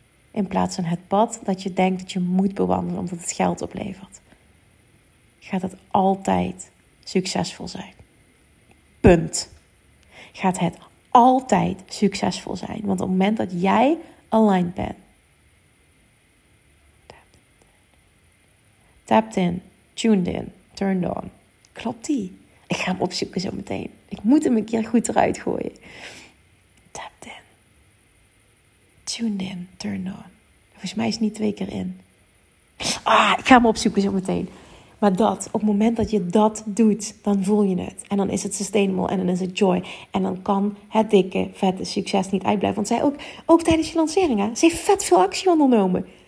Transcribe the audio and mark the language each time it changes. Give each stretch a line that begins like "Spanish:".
Dutch: In plaats van het pad dat je denkt dat je moet bewandelen omdat het geld oplevert. Gaat het altijd succesvol zijn. Punt. Gaat het altijd succesvol zijn. Want op het moment dat jij aligned bent.
English: Tapped in, tuned in, turned on.
Dutch: Klopt die? Ik ga hem opzoeken zo meteen. Ik moet hem een keer goed eruit gooien.
English: Tapped in, tuned in, turned on.
Dutch: Volgens mij is het niet 2 keer in. Ah, ik ga hem opzoeken zo meteen. Maar dat, op het moment dat je dat doet, dan voel je het. En dan is het sustainable en dan is het joy. En dan kan het dikke, vette succes niet uitblijven. Want zij ook tijdens je lancering, hè? Ze heeft vet veel actie ondernomen.